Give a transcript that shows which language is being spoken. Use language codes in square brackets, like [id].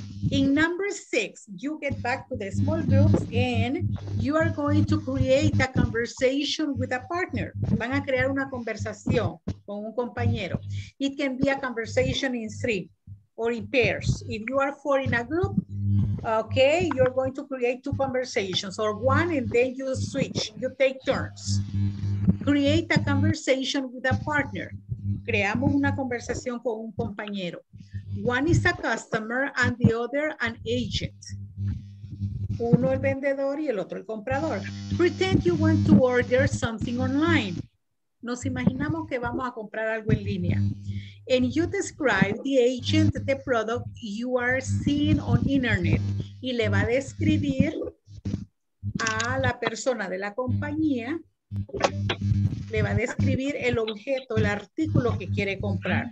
[en] In number six, you get back to the small groups and you are going to create a conversation with a partner. [es] Van a crear una conversación con un compañero. [en] It can be a conversation in three or in pairs. If you are four in a group, okay, you're going to create two conversations or one and then you switch, you take turns. Create a conversation with a partner. [es] Creamos una conversación con un compañero. [en] One is a customer and the other an agent. [es] Uno el vendedor y el otro el comprador. [en] Pretend you want to order something online. [es] Nos imaginamos que vamos a comprar algo en línea. [en] And you describe the agent, the product you are seeing on internet. [es] Y le va a describir a la persona de la compañía. Le va a describir el objeto, el artículo que quiere comprar.